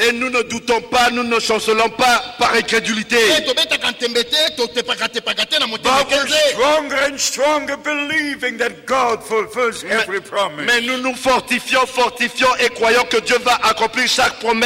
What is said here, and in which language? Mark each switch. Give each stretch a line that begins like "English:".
French: Et nous ne doutons pas, nous ne chancelons pas par incrédulité.
English: But we're stronger and stronger believing that God fulfills every promise.
French: Mais nous nous fortifions et croyons que Dieu va accomplir chaque promesse.